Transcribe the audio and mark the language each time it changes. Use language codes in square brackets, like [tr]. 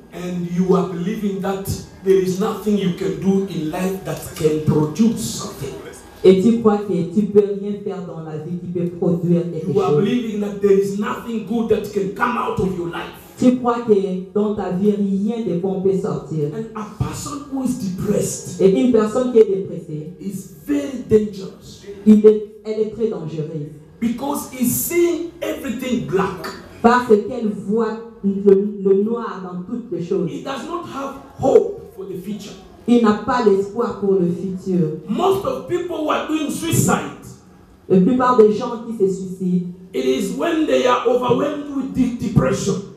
[en] And you are believing that there is nothing you can do in life that can produce something. [fr] Et tu crois que tu peux rien faire dans la vie qui peut produire quelque chose. [en] You are believing that there is nothing good that can come out of your life. [fr] Tu crois que dans ta vie rien de bon peut sortir. [en] And a person who is depressed. [fr] Et une personne qui est dépressée. [en] Is very dangerous. [fr] Elle est très dangereuse. [en] Because he sees everything black. [fr] Parce qu'elle voit le noir dans toutes les choses. [en] He does not have hope for the future. [fr] Il n'a pas l'espoir pour le futur. [en] Most of people were doing suicide. [fr] La plupart des gens qui se suicident. [en] It is when they are overwhelmed with depression.